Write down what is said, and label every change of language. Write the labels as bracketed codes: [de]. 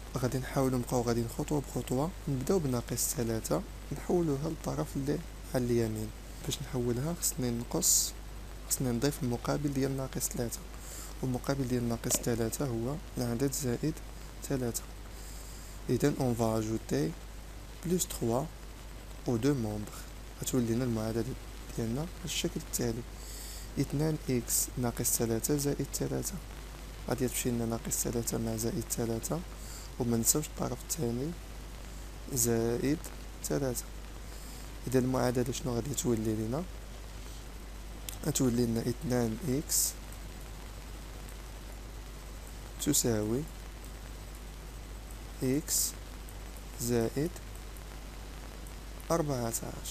[ar] غادي نحاولو نبقاو غاديين خطوة بخطوة، نبداو بناقص 3 نحولوها للطرف اللي على اليمين. باش نحولها خصني نقص، خصني نضيف المقابل ديال ناقص 3، والمقابل ديال ناقص 3 هو العدد زائد 3. إذن [fr] on va ajouter plus 3 aux deux membres. [ar] غتولينا المعادلة ديالنا بالشكل التالي: 2x ناقص 3 زائد 3 غادي تمشي لنا ناقص 3 مع زائد 3 وما نساوش الطرف الثاني زائد 3. إذا المعادلة شنو غادي تولي لنا؟ غتولي لنا 2x تساوي x زائد 14.